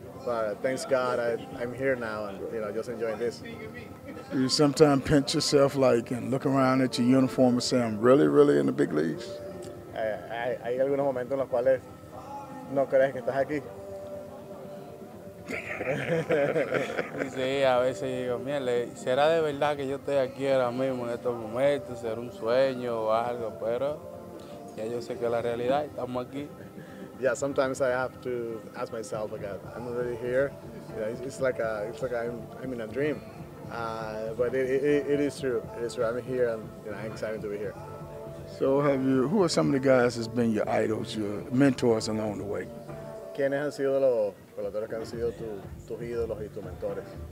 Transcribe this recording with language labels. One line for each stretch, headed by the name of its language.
English: But thanks God, I'm here now and, you know, just enjoying this. Do you sometimes pinch yourself, like, and look around at your uniform and say, I'm really, really in the big leagues?
Spanish: Hay algunos momentos en los cuales no crees que estás aquí. Sí, a veces digo, mire, será de verdad que yo estoy aquí ahora mismo en estos momentos, será un sueño o algo, pero ya yo sé que la realidad, estamos aquí.
English: Yeah, sometimes I have to ask myself again, I'm already here. Yeah, it's like I'm in a dream. But it is true. I'm here and, you know, I'm excited to be here. So who are some of the guys that's been your idols, your mentors along the way?
Spanish: ¿Quiénes han sido los peloteros que han sido tus ídolos y tus mentores?